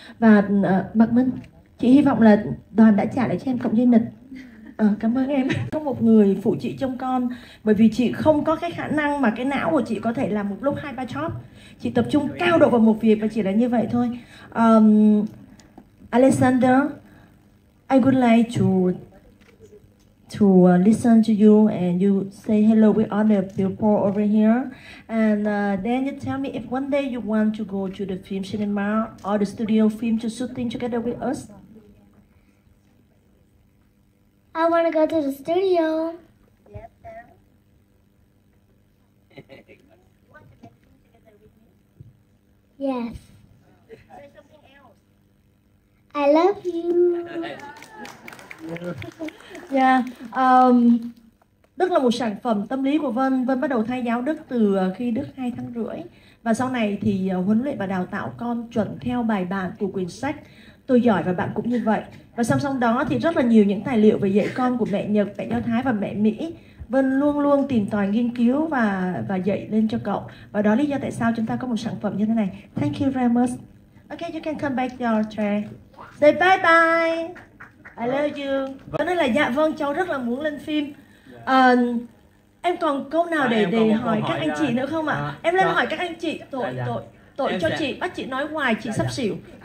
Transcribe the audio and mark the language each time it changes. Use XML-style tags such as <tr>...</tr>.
<vi>Và Mạc Minh, chị hy vọng là đoàn đã trả lại cho em cộng dây nịt. Cảm ơn em. Có một người phụ chị trông con, bởi vì chị không có cái khả năng mà cái não của chị có thể làm một lúc 2-3 job. Chị tập trung cao độ vào một việc và chỉ là như vậy thôi.</vi> <en>Alexander, I would like to listen to you and you say hello with all the people over here. And then you tell me if one day you want to go to the film cinema or the studio film to shooting together with us. I want to go to the studio. Yes. I love you. Yeah.</en> <vi>Đức là một sản phẩm tâm lý của Vân. Vân bắt đầu thay giáo Đức từ khi Đức 2 tháng rưỡi. Và sau này thì huấn luyện và đào tạo con chuẩn theo bài bản của quyển sách Tôi Giỏi Và Bạn Cũng Như Vậy. Và song song đó thì rất là nhiều những tài liệu về dạy con của mẹ Nhật, mẹ Do Thái và mẹ Mỹ. Vân luôn luôn tìm tòi nghiên cứu và dạy lên cho cậu. Và đó lý do tại sao chúng ta có một sản phẩm như thế này.</vi> <en>Thank you very much. Okay, you can come back your tray. Say bye bye. I love you.</en> <vi>Vân nói là dạ vâng, cháu rất là muốn lên phim. Em còn câu nào để hỏi các anh chị nữa không ạ? Em lên hỏi các anh chị. Tội cho chị, bắt chị nói hoài, chị sắp xỉu.</vi>